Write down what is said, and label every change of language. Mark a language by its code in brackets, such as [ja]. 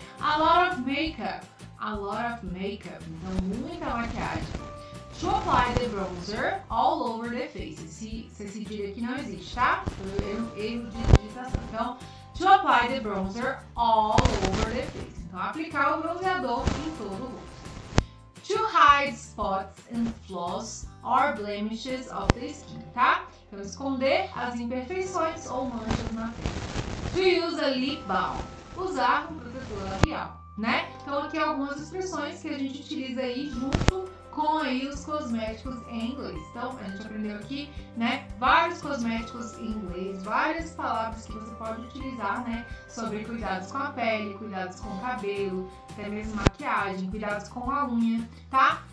[en] A lot of makeup, [pt] então muita maquiagem. [en] To apply the bronzer all over the face, [pt] se cedilha aqui não existe, tá? Erro de digitação, então, [en] to apply the bronzer all over the face, [pt] então aplicar o bronzeador em todo o rosto. [en] To hide spots and flaws or blemishes of the skin, tá? [pt] Então, esconder as imperfeições ou manchas na pele. [en] To use a lip balm, [pt] usar um protetor labial, né? Então, aqui algumas expressões que a gente utiliza aí junto com aí os cosméticos em inglês. Então, a gente aprendeu aqui, né, vários cosméticos em inglês, várias palavras que você pode utilizar, né, sobre cuidados com a pele, cuidados com o cabelo, até mesmo maquiagem, cuidados com a unha, tá?